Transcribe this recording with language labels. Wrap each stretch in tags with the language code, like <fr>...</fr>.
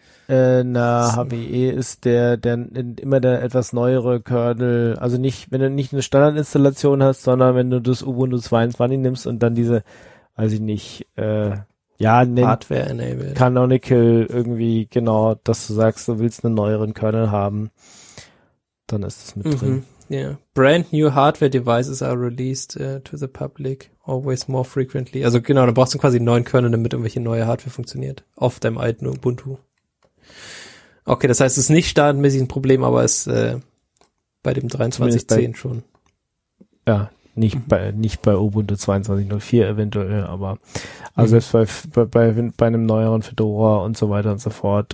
<de>HWE ist der etwas neuere Kernel, also nicht, wenn du nicht eine Standardinstallation hast, sondern wenn du das Ubuntu 22 nimmst und dann diese, weiß ich nicht,</de> <en>Hardware-enabled.</en> <de>Canonical irgendwie, genau, dass du sagst, du willst einen neueren Kernel haben, dann ist das mit drin.</de> <en>Yeah. Brand new hardware devices are released to the public always more frequently.</en> <de>Also genau, dann brauchst du quasi einen neuen Kernel, damit irgendwelche neue Hardware funktioniert, auf deinem alten Ubuntu. Okay, das heißt, es ist nicht standardmäßig ein Problem, aber es bei dem 23.10 schon. Ja, nicht bei Ubuntu 22.04 eventuell, aber also selbst bei einem neueren Fedora und so weiter und so fort.</de>